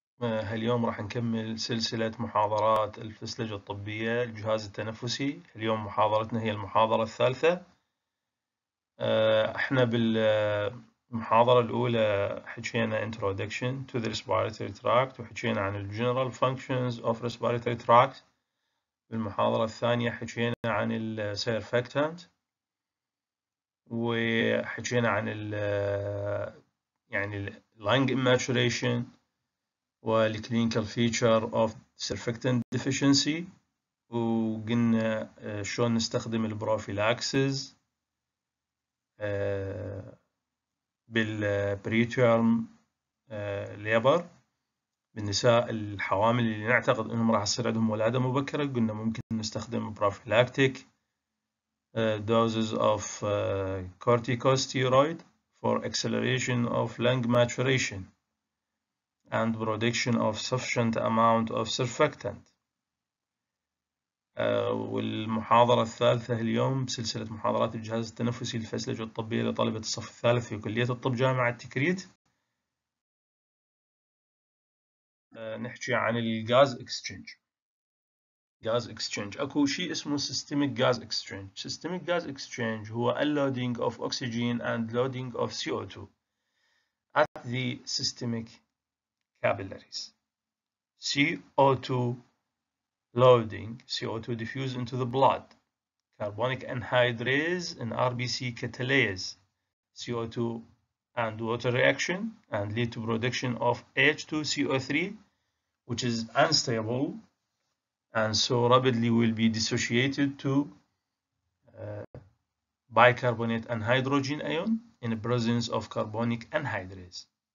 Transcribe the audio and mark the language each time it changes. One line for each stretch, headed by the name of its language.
Arabic: اليوم راح نكمل سلسلة محاضرات الفسلجة الطبية، الجهاز التنفسي. اليوم محاضرتنا هي المحاضرة الثالثة. احنا بالمحاضرة الأولى حكينا
English: introduction to the respiratory tract،
Arabic: وحكينا عن ال
English: general functions of respiratory tract.
Arabic: بالمحاضرة الثانية حكينا عن ال surfactant، وحكينا عن ال يعني lung maturation
English: والكلينيكال feature of surfactant deficiency,
Arabic: وقلنا شلون نستخدم البروفيلاكسز
English: بالبريتيرم ليبر
Arabic: بالنساء الحوامل اللي نعتقد انهم راح يصير عندهم ولاده مبكره. قلنا ممكن نستخدم
English: Prophylactic doses of corticosteroid for acceleration of lung maturation and production of sufficient amount of surfactant.
Arabic: والمحاضرة الثالثة اليوم بسلسلة محاضرات الجهاز التنفسي الفسلجة الطبية لطلبة الصف الثالث في كلية الطب جامعة تكريت. نحكي عن الغاز اكسشينج. غاز اكسشينج اكو شيء اسمه سيستميك غاز اكسشينج. سيستميك غاز اكسشينج هو
English: unloading of oxygen and loading of CO2 at the systemic capillaries. CO2 loading, CO2 diffuse into the blood. Carbonic anhydrase and RBC catalase CO2 and water reaction and lead to production of H2CO3, which is unstable and so rapidly will be dissociated to bicarbonate anhydrogen ion in the presence of carbonic anhydrase.